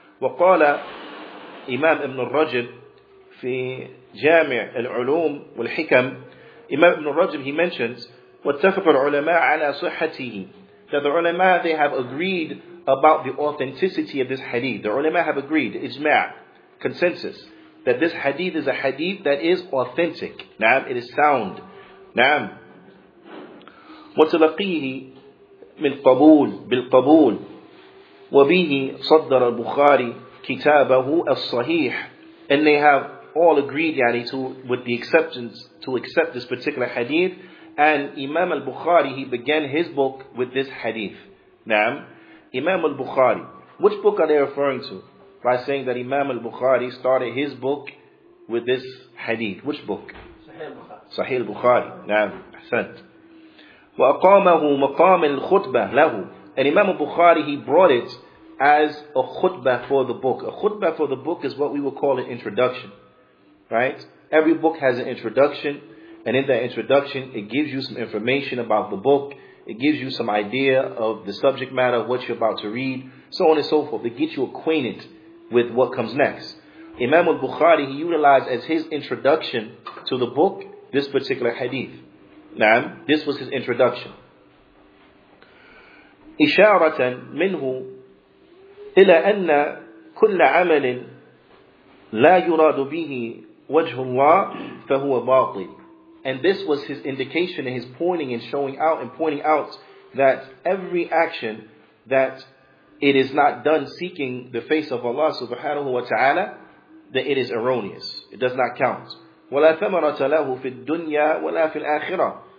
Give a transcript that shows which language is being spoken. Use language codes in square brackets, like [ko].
[en] وَقَالَ Imam Ibn Rajab fi Jami' al-Ulum wal-Hikam, Imam Ibn Rajab, he mentions, [ar] واتفق العلماء على صحته, [en] that the ulama, they have agreed about the authenticity of this hadith. The ulama have agreed, ijma', consensus, that this hadith is a hadith that is authentic. Naam, it is sound. Naam. [ar] وتلقيه من قبول بالقبول وبه صدر البخاري كتابه الصحيح. [en] And they have all agreed, yani, to accept this particular hadith, and Imam al-Bukhari, he began his book with this hadith. Naam. Imam al-Bukhari, which book are they referring to by saying that Imam al-Bukhari started his book with this hadith? Which book? Sahih al-Bukhari. Naam, ahsant. [ar] Wa aqamahu maqam al-khutbah lahu, [en] and Imam al-Bukhari, he brought it as a khutbah for the book. A khutbah for the book is what we would call an introduction. Right? Every book has an introduction, and in that introduction, it gives you some information about the book. It gives you some idea of the subject matter, what you're about to read, so on and so forth. It gets you acquainted with what comes next. Imam al-Bukhari, he utilized as his introduction to the book this particular hadith. Naam, this was his introduction. [ar] إشارة منه إلى أن كل عمل لا يراد به وجه الله فهو باطل. [en] And this was his indication and his pointing and showing out and pointing out that every action that it is not done seeking the face of Allah subhanahu wa ta'ala, that it is erroneous. It does not count. [ar] وَلَا ثَمَرَةَ لَهُ فِي الدُّنْيَا وَلَا فِي الْآخِرَةِ.